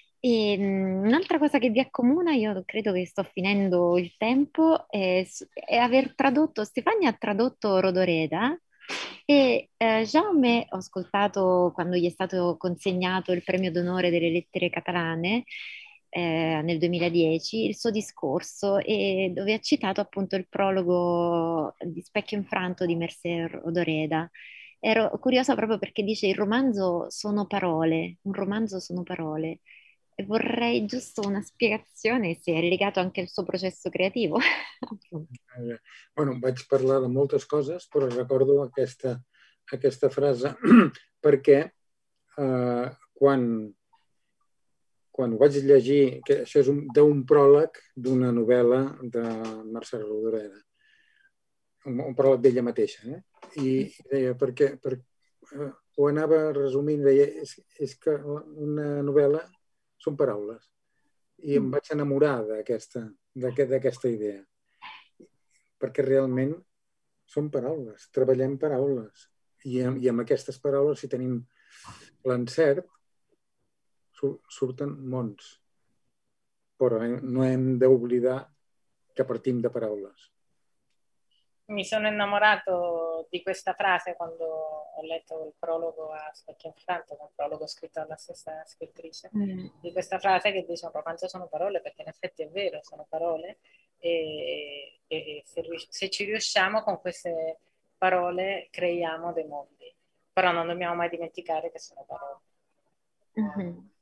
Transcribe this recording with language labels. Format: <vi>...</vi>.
<it>E un'altra cosa che vi accomuna, io credo che sto finendo il tempo, è aver tradotto, Stefania ha tradotto Rodoreda e Jaume, ho ascoltato quando gli è stato consegnato il premio d'onore delle lettere catalane nel 2010, il suo discorso, e dove ha citato appunto il prologo di Specchio Infranto di Mercè Rodoreda. Ero curiosa proprio perché dice il romanzo sono parole, un romanzo sono parole. E vorrei giusto una spiegazione se è legato anche al suo processo creativo.</it> <ca>Bueno, vaig parlar de moltes coses, però recordo aquesta frase perquè quan ho vaig llegir, que això és d'un pròleg d'una novel·la de Mercè Rodoreda, un pròleg d'ella mateixa, i deia perquè ho anava resumint, deia, és que una novel·la són paraules. I em vaig enamorar d'aquesta idea. Perquè realment són paraules. Treballem paraules. I amb aquestes paraules, si tenim l'encert, surten mons. Però no hem d'oblidar que partim de paraules.</ca> <it>Mi sono innamorato di questa frase quando ho letto il prologo a Specchio Infranto, un prologo scritto dalla stessa scrittrice, di questa frase che dice un romanzo sono parole, perché in effetti è vero, sono parole, e se ci riusciamo con queste parole creiamo dei mondi, però non dobbiamo mai dimenticare che sono parole.</it>